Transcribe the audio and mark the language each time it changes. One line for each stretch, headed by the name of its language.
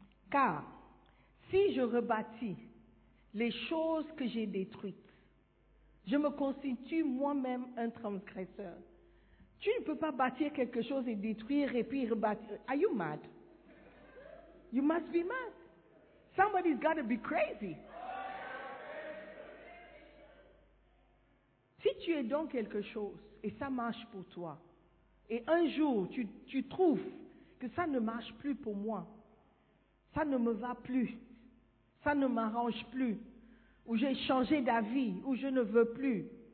French: Car si je rebâtis les choses que j'ai détruites, je me constitue moi-même un transgresseur. Tu ne peux pas bâtir quelque chose et détruire et puis rebâtir.
English: Are you mad? You must be mad. Somebody's got to be crazy.
French: Si tu es dans quelque chose et ça marche pour toi, et un jour tu trouves que ça ne marche plus pour moi, ça ne me va plus, ça ne m'arrange plus, ou j'ai changé d'avis, ou je ne veux plus.